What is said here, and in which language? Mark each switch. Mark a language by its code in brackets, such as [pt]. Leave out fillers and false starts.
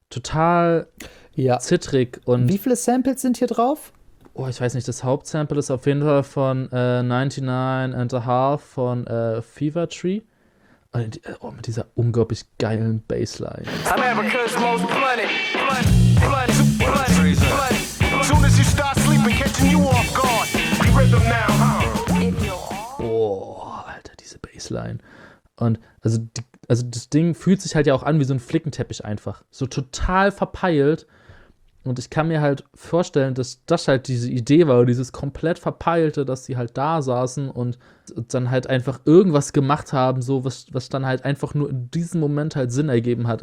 [de] Total ja. zittrig und. Wie viele Samples sind hier drauf? Oh, ich weiß nicht, das Hauptsample ist auf jeden Fall von 99 and a Half von Fever Tree. Oh, mit dieser unglaublich geilen Bassline. [en] America's most blunted. Soon as you start sleeping, catching you off guard. Rhythm now, huh? [de] Oh, Alter, diese Bassline. Und also das Ding fühlt sich halt ja auch an wie so ein Flickenteppich einfach. So total verpeilt. Und ich kann mir halt vorstellen, dass das halt diese Idee war, dieses komplett Verpeilte, dass sie halt da saßen und dann halt einfach irgendwas gemacht haben, so was dann halt einfach nur in diesem Moment halt Sinn ergeben hat.